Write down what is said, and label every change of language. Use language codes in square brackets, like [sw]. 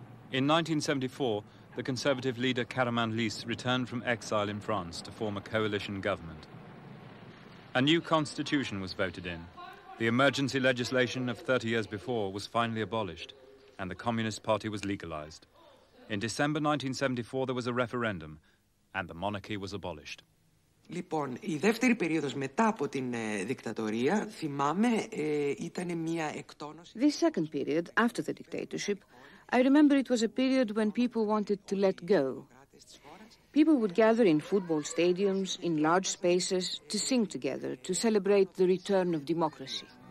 [en] In 1974, the conservative leader Karamanlis returned from exile in France to form a coalition government. A new constitution was voted in. The emergency legislation of 30 years before was finally abolished, and the Communist Party was legalized. In December 1974, there was a referendum, and the monarchy was abolished. [el] Λοιπόν, η δεύτερη περίοδος μετά από την δικτατορία, θυμάμαι, ήταν μια εκτόνωση... [en] This second period, after the dictatorship, I remember it was a period when people wanted to let go. People would gather in football stadiums, in large spaces, to sing together, to celebrate the return of democracy.